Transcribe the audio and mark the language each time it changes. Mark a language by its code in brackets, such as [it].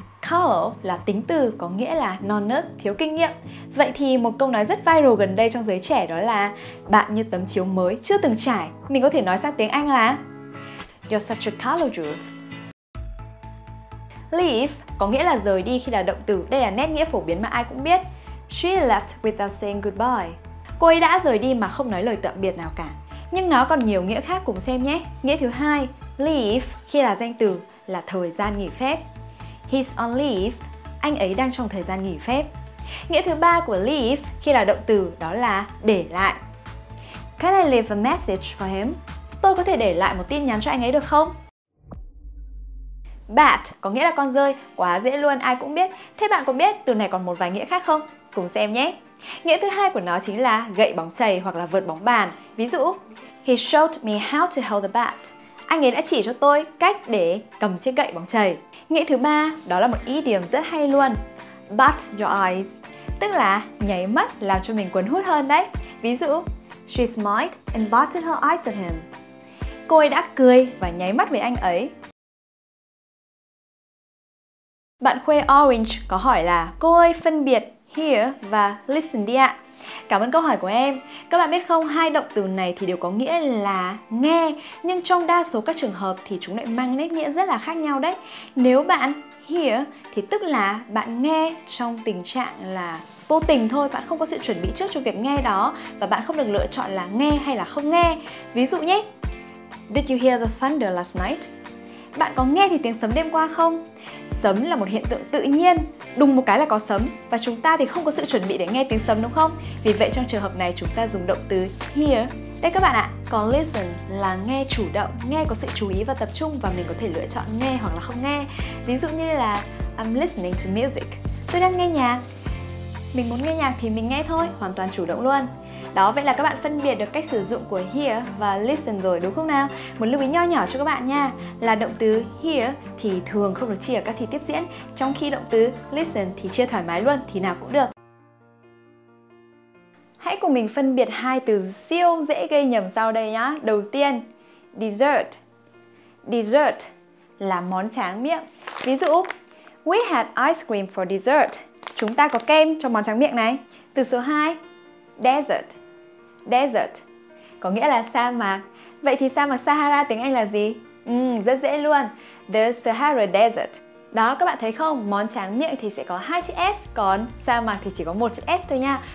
[vi] Calo là tính từ, có nghĩa là non nớt, thiếu kinh nghiệm. Vậy thì một câu nói rất viral gần đây trong giới trẻ đó là bạn như tấm chiếu mới chưa từng trải. Mình có thể nói sang tiếng Anh là [en] you're such a calogous. [vi] Leave có nghĩa là rời đi khi là động từ. Đây là nét nghĩa phổ biến mà ai cũng biết. [en] She left without saying goodbye. [vi] Cô ấy đã rời đi mà không nói lời tạm biệt nào cả. Nhưng nó còn nhiều nghĩa khác cùng xem nhé. Nghĩa thứ hai, leave khi là danh từ là thời gian nghỉ phép. [en] He's on leave, [vi] anh ấy đang trong thời gian nghỉ phép. Nghĩa thứ ba của leave khi là động từ đó là để lại. [en] Can I leave a message for him? [vi] Tôi có thể để lại một tin nhắn cho anh ấy được không? Bat có nghĩa là con rơi, quá dễ luôn, ai cũng biết. Thế bạn có biết từ này còn một vài nghĩa khác không? Cùng xem nhé. Nghĩa thứ hai của nó chính là gậy bóng chày hoặc là vợt bóng bàn. Ví dụ, [en] he showed me how to hold the bat. [vi] Anh ấy đã chỉ cho tôi cách để cầm chiếc gậy bóng chày. Nghĩa thứ ba đó là một idiom rất hay luôn. [en] Bat your eyes, [vi] tức là nháy mắt làm cho mình cuốn hút hơn đấy. Ví dụ, [en] she smiled and batted her eyes at him. [vi] Cô ấy đã cười và nháy mắt với anh ấy. Bạn Khuê Orange có hỏi là cô ơi phân biệt hear và listen đi ạ. Cảm ơn câu hỏi của em. Các bạn biết không, hai động từ này thì đều có nghĩa là nghe, nhưng trong đa số các trường hợp thì chúng lại mang nét nghĩa rất là khác nhau đấy. Nếu bạn hear thì tức là bạn nghe trong tình trạng là vô tình thôi, bạn không có sự chuẩn bị trước cho việc nghe đó và bạn không được lựa chọn là nghe hay là không nghe. Ví dụ nhé, [en] did you hear the thunder last night? [vi] Bạn có nghe thì tiếng sấm đêm qua không? Sấm là một hiện tượng tự nhiên, đùng một cái là có sấm. Và chúng ta thì không có sự chuẩn bị để nghe tiếng sấm đúng không? Vì vậy trong trường hợp này chúng ta dùng động từ hear. Đây các bạn ạ, còn listen là nghe chủ động, nghe có sự chú ý và tập trung. Và mình có thể lựa chọn nghe hoặc là không nghe. Ví dụ như là [en] I'm listening to music, [vi] tôi đang nghe nhạc. Mình muốn nghe nhạc thì mình nghe thôi, hoàn toàn chủ động luôn. Đó, vậy là các bạn phân biệt được cách sử dụng của hear và listen rồi đúng không nào? Một lưu ý nho nhỏ cho các bạn nha, là động từ hear thì thường không được chia ở các thi tiếp diễn, trong khi động từ listen thì chia thoải mái luôn, thì nào cũng được. Hãy cùng mình phân biệt hai từ siêu dễ gây nhầm sau đây nhá. Đầu tiên, dessert. Dessert là món tráng miệng. [en] Ví dụ, we had ice cream for dessert. [vi] Chúng ta có kem cho món tráng miệng này. Từ số 2, desert. Desert có nghĩa là sa mạc. Vậy thì sa mạc Sahara tiếng Anh là gì? Rất dễ luôn. The Sahara Desert. Đó, các bạn thấy không? Món tráng miệng thì sẽ có hai chữ S, còn sa mạc thì chỉ có một chữ S thôi nha.